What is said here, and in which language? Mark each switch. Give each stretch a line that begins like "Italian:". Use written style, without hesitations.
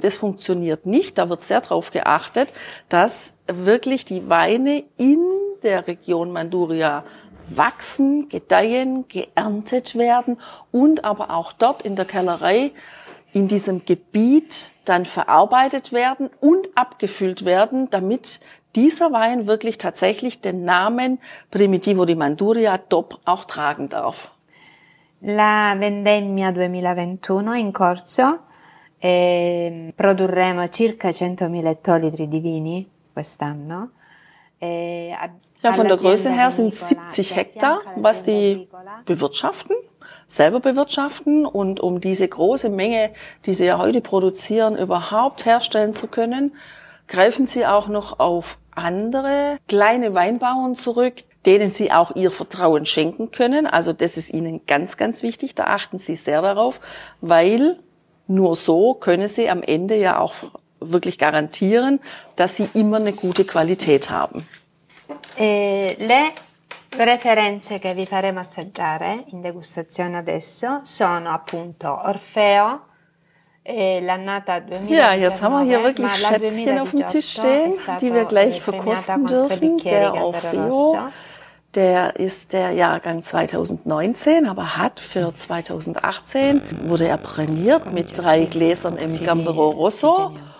German: Das funktioniert nicht. Da wird sehr darauf geachtet, dass wirklich die Weine in der Region Manduria wachsen, gedeihen, geerntet werden und aber auch dort in der Kellerei in diesem Gebiet dann verarbeitet werden und abgefüllt werden, damit dieser Wein wirklich tatsächlich den Namen Primitivo di Manduria DOP auch tragen darf.
Italian: La vendemmia 2021 in corso, produrremo circa 100.000 ettolitri di vini quest'anno.
German: Ja, von der Größe her sind 70 Hektar, was die bewirtschaften, selber bewirtschaften, und um diese große Menge, die sie ja heute produzieren, überhaupt herstellen zu können, greifen sie auch noch auf andere kleine Weinbauern zurück, denen sie auch ihr Vertrauen schenken können. Also das ist ihnen ganz, ganz wichtig. Da achten sie sehr darauf, weil nur so können sie am Ende ja auch wirklich garantieren, dass sie immer eine gute Qualität haben.
Italian: Le preferenze che vi faremo assaggiare in degustazione adesso sono appunto Orfeo, l'annata 2019.
German: Ja, jetzt haben wir hier wirklich Schätzchen auf dem Tisch stehen, die wir gleich verkosten dürfen. Der Orfeo, der ist der Jahrgang 2019, aber hat für 2018 wurde er prämiert mit 3 Gläsern im Gambero Rosso.